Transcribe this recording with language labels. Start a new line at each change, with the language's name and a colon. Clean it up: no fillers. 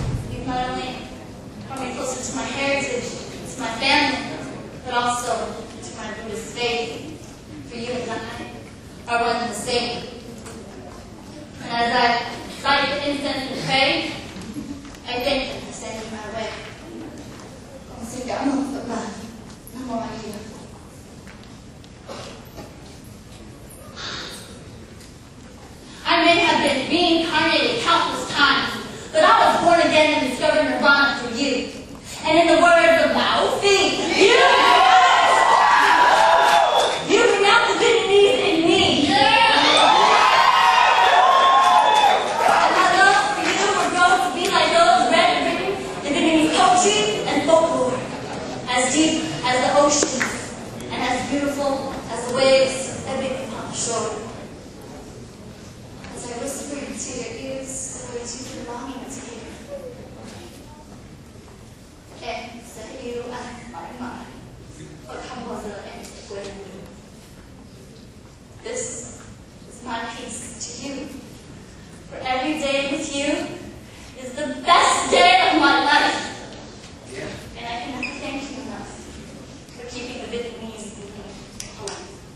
English: You not only coming closer to my heritage, to my family, but also to my Buddhist faith. For you and I are one and the same. And as I light the incense and pray, I thank you for standing my way.
Vietnamese: Con xin cảm ơn Phật bà, Nam Mô A Di Đà Phật.
English: I may have been reincarnated countless times, but I was born again and discovered Nirvana through you. And in the words of Lao Phi, you renounce the Vietnamese in me. And my love for you will grow to be like those read and written in Vietnamese poetry and folklore, as deep as the oceans and as beautiful as the waves ebbing on the shore. As I whisper into your ears, so I do the longing to hear.
Vietnamese: Em sẽ yêu anh mãi mãi và không bao giờ em quên mình.
English: This is my peace to you. For every day with you is the best day of my life. Yeah. And I cannot thank you enough for keeping the Vietnamese in me alive.